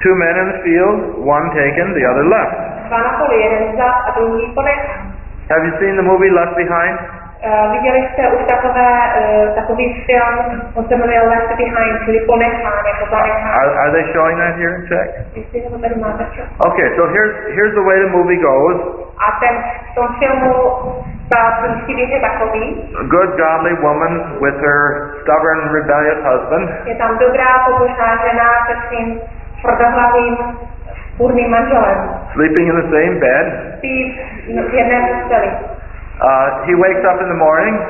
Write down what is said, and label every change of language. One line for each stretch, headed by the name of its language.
English: Two men in the field, one taken, the other left. Have you seen the movie Left Behind?
Czech: Viděli jste už takový film, on se jmenuje Left Behind, čili ponechán, jako zanechán.
English: Are they showing that here in Czech?
Czech: Jestli ho tady máte čo?
English: Okay, so here's the way the movie goes.
Czech: A v tom filmu ta příběh je takový.
English: A good godly woman with her stubborn rebellious husband.
Czech: Je tam dobrá pobožná žena se svým tvrdohlavým, burným manželem.
English: Sleeping in the same bed.
Czech: spí v jedné posteli.
English: He wakes up in the morning.